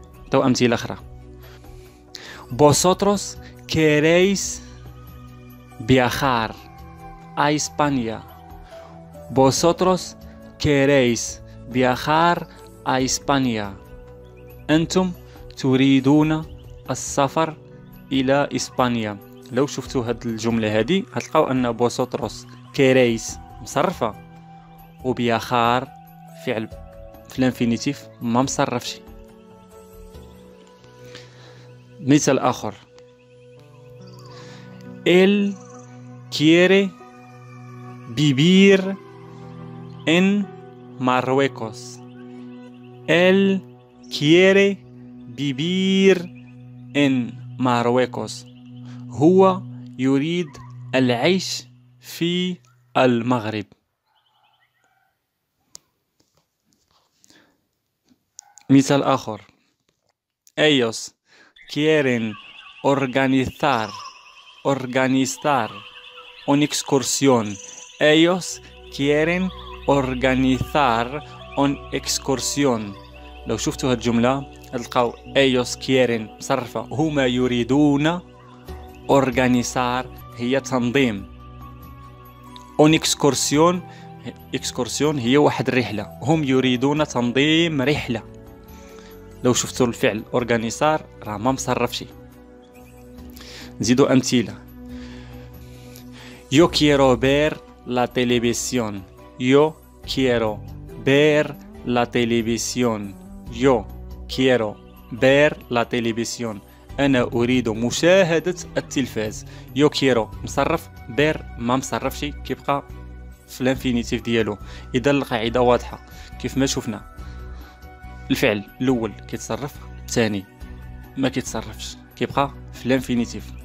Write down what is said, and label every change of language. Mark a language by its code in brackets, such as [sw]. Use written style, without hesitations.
[ar] تو امثله اخرى: بوسوتروس كيريس [es] viajar a España، vosotros queréis viajar a España، [ar] أنتم تريدون السفر إلى إسبانيا. لو شفتوا هذه الجملة هذه، هتلقوا أن [es] vosotros queréis [ar] مصرفة، و viajar فعل في الانفينيتيف ما مصرفش. مثال آخر: [es] el quiere vivir en Marruecos، él quiere vivir en Marruecos، [ar] هو يريد العيش في المغرب. [es] مثال آخر: ellos quieren organizar una excursión، ellos quieren organizar una excursión. [ar] لو شفتوا هذه الجملة تلقاو [es] ellos quieren [ar] مصرفة، هما يريدون، organizar هي تنظيم، [es] una excursión، [ar] excursión هي واحد رحلة، هم يريدون تنظيم رحلة. لو شفتوا الفعل organizar راه ما مصرفش. نزيدوا أمثلة: [es] Yo quiero ver la televisión. Yo quiero ver la televisión. Yo quiero ver la televisión. [ar] أنا أريد مشاهدة التلفاز. يو كيرو مصرف، بير ما مصرفش، كيبقى في الانفينيتيف ديالو. إذا القاعدة واضحة، كيف ما شفنا الفعل الأول كيتصرف، الثاني ما كيتصرفش، كيبقى في الانفينيتيف.